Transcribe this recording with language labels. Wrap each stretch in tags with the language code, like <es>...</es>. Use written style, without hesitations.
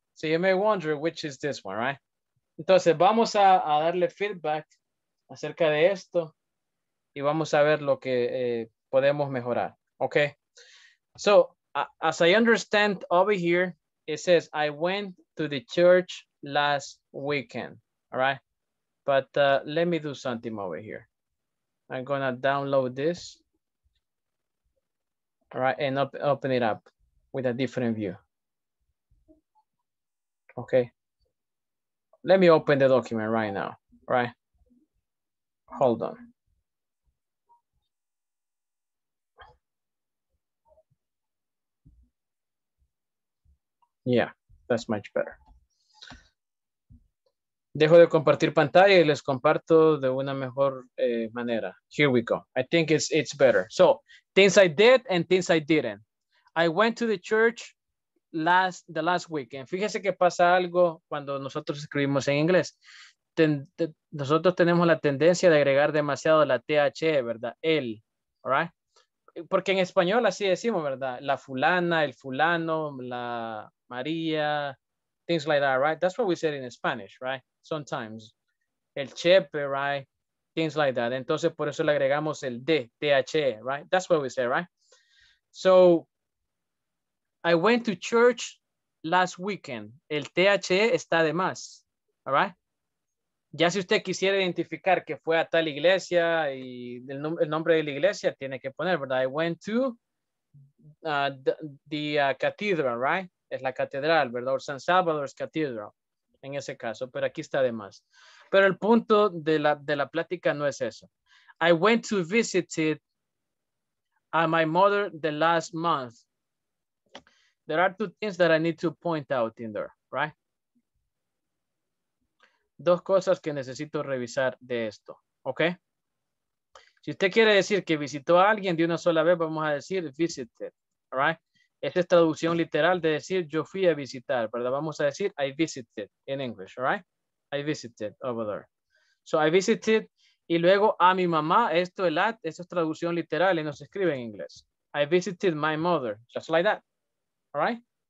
<en>So you may wonder which is this one, right?</en> <es>Entonces, vamos a darle feedback acerca de esto. Y vamos a ver lo que podemos mejorar.</es> <en>Okay. So, as I understand over here, it says, I went to the church last weekend. All right. But let me do something over here. I'm going to download this. All right. And open it up with a different view. Okay. Let me open the document right now. All right. Hold on. Yeah, that's much better.</en> <es>Dejo de compartir pantalla y les comparto de una mejor manera.</es> <en>Here we go. I think it's better. So, things I did and things I didn't. I went to the church the last weekend.</en> <es>Fíjese que pasa algo cuando nosotros escribimos en inglés. Nosotros tenemos la tendencia de agregar demasiado la TH, ¿verdad? El,</es> <en>all right?</en> <es>Porque en español así decimos, ¿verdad? La fulana, el fulano, la María,</es> <en>things like that, right? That's what we said in Spanish, right? Sometimes. El chepe, right? Things like that.</en> <es>Entonces, por eso le agregamos el de,</es> <en>T-H-E, right? That's what we say, right? So, I went to church last weekend.</en> <es>El T-H-E está de más,</es> <en>all right?</en> <es>Ya si usted quisiera identificar que fue a tal iglesia y el nombre de la iglesia tiene que poner, ¿verdad?</es> <en>I went to the cathedral, right?</en> <es>Es la catedral, ¿verdad?</es> <en>Or San Salvador's Cathedral,</en> <es>en ese caso. Pero aquí está de más. Pero el punto de la plática no es eso.</es> <en>I went to visit a my mother the last month. There are two things that I need to point out in there, right?</en> <es>Dos cosas que necesito revisar de esto, ¿ok? Si usted quiere decir que visitó a alguien de una sola vez, vamos a decir visited, right? Esta es traducción literal de decir yo fui a visitar, ¿verdad? Vamos a decir</es> <en>I visited in English, right? I visited over there. So I visited</en> <es>y luego a mi mamá, esto el at, esto es traducción literal y no se escribe en inglés.</es> <en>I visited my mother, just like that, all right?</en>